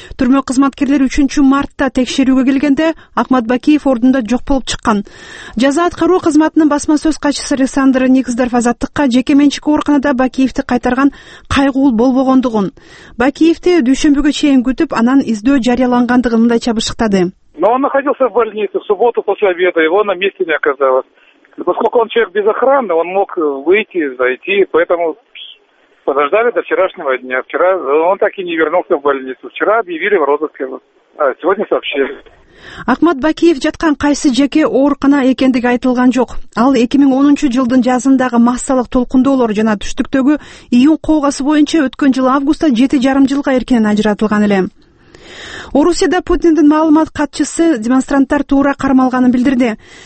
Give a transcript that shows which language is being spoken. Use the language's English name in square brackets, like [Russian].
[Kyrgyz] Түрмө кызматкерлери 3 мартта текшерүүгө келгенде Ахмат Бакиев ордунда жок болуп чыккан. Жаза аткаруу кызматынын басма сөз катчысы Александр Никздаров азаттыкка жеке менчик ооруканада Бакиевти кайтарган кайгуул болбогондугун, Бакиевти дүйшөмбүгө чейин күтүп, анан издөө жарыялангандыгын мындайча бышыктады. [Russian] Но он находился в больнице в субботу после обеда, его на месте не оказалось. Поскольку он человек без охраны, он мог выйти, зайти, поэтому подождали до вчерашнего дня. Вчера он так и не вернулся в больницу. Вчера объявили в розыск, а сегодня сообщили. [Kyrgyz] Ахмат Бакиев жаткан кайсы жеке ооруканада экендиги айтылган жок. Ал 2010-жылдын жазындагы массалык толкундоолор жана түштүктөгү июнь коогасы боюнча өткөн жылы августта 7.5 жылга эркинен ажыратылган эле. Орусияда Путиндин маалымат катчысы демонстранттар туура кармалганын билдирди.